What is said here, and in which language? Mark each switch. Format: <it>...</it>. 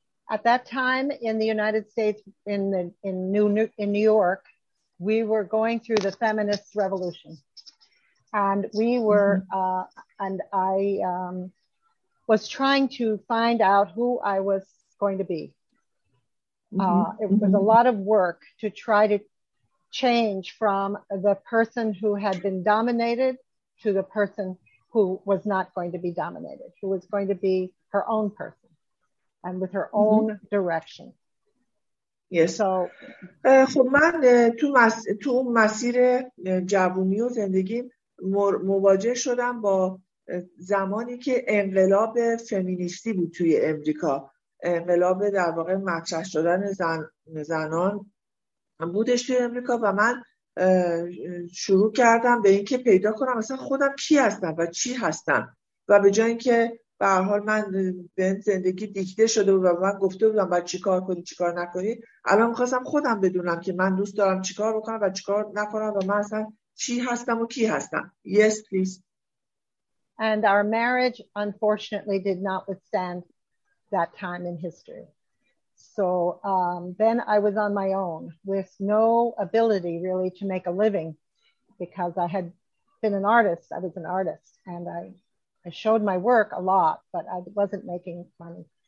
<en>At that time in the United States, in New York, we were going through the feminist revolution, and we were and I was trying to find out who I was going to be. It was a lot of work to try to change from the person who had been dominated to the person who was not going to be dominated, who was going to be her own person. And with her own direction. Yes. So,</en> <fa>خب من تو مسیر جوونی و زندگی مواجه شدم با زمانی که انقلاب فمینیستی بود توی امریکا. انقلاب در واقع مطرح شدن زنان بودش توی امریکا و من شروع کردم به اینکه پیدا کنم اصلا خودم کی هستم و چی هستم، و به جای اینکه به هر حال من به زندگی دیکته شده بود و من گفته بودم باید چیکار کنی چیکار نکنی، الان می‌خواستم خودم بدونم که من دوست دارم چیکار بکنم و چیکار نکنم و من اصلا چی هستم و کی هستم.</fa> <en>Yes, please. And our marriage unfortunately did not withstand that time in history. So then I was on my own with no ability really to make a living because I had been an artist. I was an artist and I showed my work a lot, but I wasn't making money.</en>